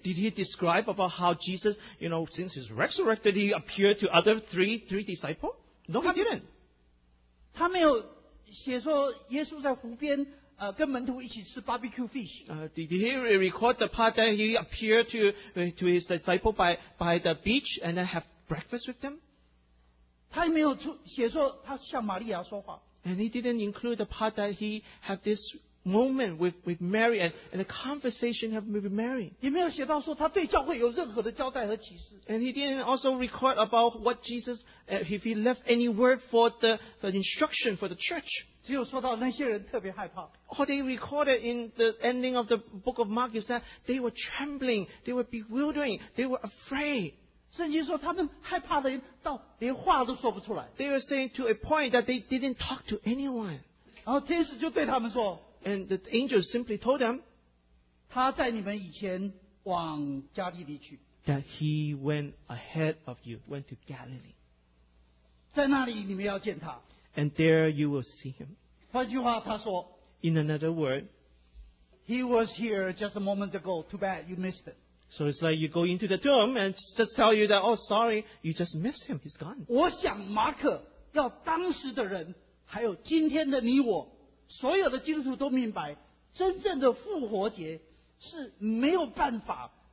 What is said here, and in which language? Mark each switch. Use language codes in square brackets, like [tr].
[en] Did he describe about how Jesus, you know, since he's resurrected, he appeared to other three disciples? No, he didn't. [zh] 他没有写说耶稣在湖边跟门徒一起吃 [en] barbecue fish. Did he record the part that he appeared to his disciple by the beach and then have breakfast with them? [zh] 他没有写说他向玛利亚说话. [en] And he didn't include the part that he had this moment with Mary and the conversation with Mary. [zh] 也没有写到说他对教会有任何的交代和启示. [en] And he didn't also record about what Jesus, if he left any word for the instruction for the church. [zh] 只有说到那些人特别害怕. [en] All they recorded in the ending of the book of Mark is that they were trembling, they were bewildering, they were afraid. [zh] 甚至说他们害怕的人到连话都说不出来. [en] They were saying to a point that they didn't talk to anyone. [zh] 然后天使就对他们说, [en] and the angel simply told them, [zh] 他在你们以前往加利利去, [en] that he went ahead of you, went to Galilee. [zh] 在那里你们要见他, [en] and there you will see him. [zh] 换句话他说, [en] in another word, he was here just a moment ago. Too bad you missed it. So it's like you go into the tomb and just tell you that, oh, sorry, you just missed him. He's gone. [zh] 我想马可要当时的人, 还有今天的你我, 所有的基督徒都明白, 真正的复活节是没有办法